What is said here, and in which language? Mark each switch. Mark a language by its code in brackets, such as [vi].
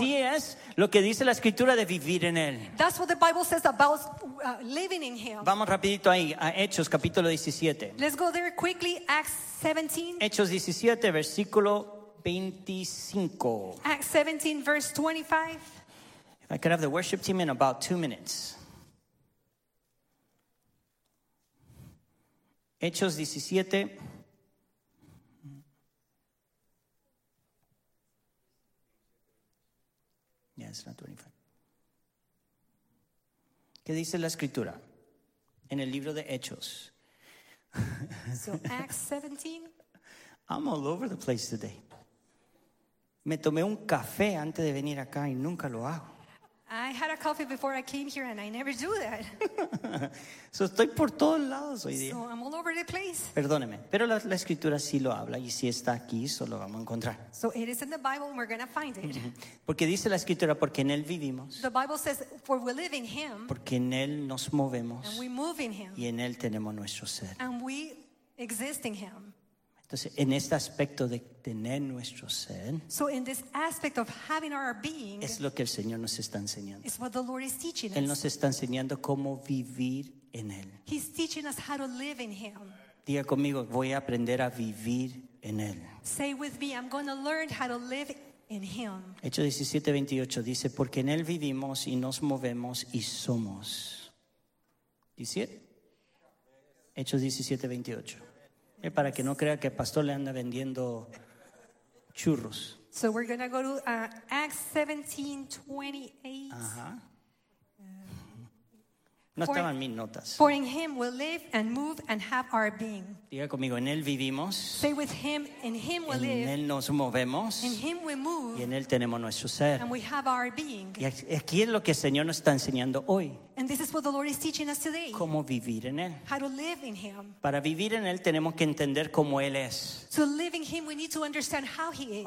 [es] Así es lo que dice la escritura de vivir en él. [en] That's what the Bible says about living in him. [es] Vamos rapidito ahí a Hechos capítulo 17. [en] Let's go there quickly, Acts 17. [es] Hechos 17 versículo 25. [en] Acts 17 verse 25. If I could have the worship team in about 2 minutes. [es] Hechos 17. [en] Yeah, it's not 25. [es] ¿Qué dice la escritura en el libro de Hechos? [en] So Acts 17. I'm all over the place today. [es] Me tomé un café antes de venir acá y nunca lo hago. [en] I had a coffee before I came here and I never do that. [es] So estoy por todos lados hoy día. [en] So I'm all over the place. [es] Perdóneme, pero la escritura sí lo habla y si está aquí solo vamos a encontrar. [en] So it is in the Bible and we're going to find it. [es] Porque dice la escritura, porque en él vivimos. [en] The Bible says, for we live in him. [es] Porque en él nos movemos. [en] And we move in him. [es] Y en él tenemos nuestro ser. [en] And we exist in him. [es] Entonces, en este aspecto de tener nuestro ser, [en] so in this aspect of having our being, [es] es lo que el Señor nos está enseñando. [en] It's what the Lord is teaching us. [es] Él nos está enseñando cómo vivir en él. [en] He's teaching us how to live in him. [es] Diga conmigo, voy a aprender a vivir en él. [en] Say with me, I'm going to learn how to live in him. [es] Hechos 17:28 dice, porque en él vivimos y nos movemos y somos. ¿Dice? Hechos 17:28. Para que no crea que el pastor le anda vendiendo churros. [en] So we're going to go to Acts 17:28. Ajá. [es] No estaban mis notas. [en] For in him we live and move and have our being. [es] Diga conmigo, en él vivimos. [en] Say with him, in him we live. [es] En él nos movemos. [en] In him we move. [es] Y en él tenemos nuestro ser. [en] And we have our being. [es] Y aquí es lo que el Señor nos está enseñando hoy. [en] And this is what the Lord is teaching us today. [es] Cómo vivir en él. [en] How to live in him. [es] Para vivir en él tenemos que entender cómo él es. [en] To live in him we need to understand how he is.